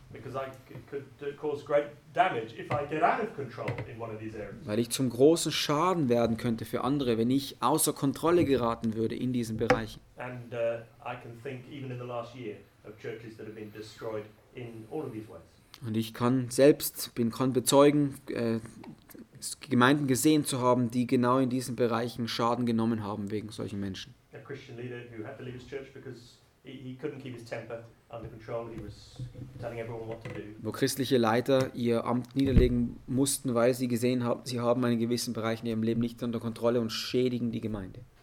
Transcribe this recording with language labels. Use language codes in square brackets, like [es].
[de] Weil ich zum großen Schaden werden könnte für andere, wenn ich außer Kontrolle geraten würde in diesen Bereichen. Und ich kann sogar in den letzten Jahren von Kirchen, die in all diesen Weisen zerstört wurden. Und ich kann bezeugen, Gemeinden gesehen zu haben, die genau in diesen Bereichen Schaden genommen haben wegen solchen Menschen. [en] A Christian leader who had to leave his church because he couldn't keep his temper under control. He was telling everyone what to do. [de] Wo christliche Leiter ihr Amt niederlegen mussten, weil sie gesehen haben, sie haben einen gewissen Bereich in ihrem Leben nicht unter Kontrolle und schädigen die Gemeinde.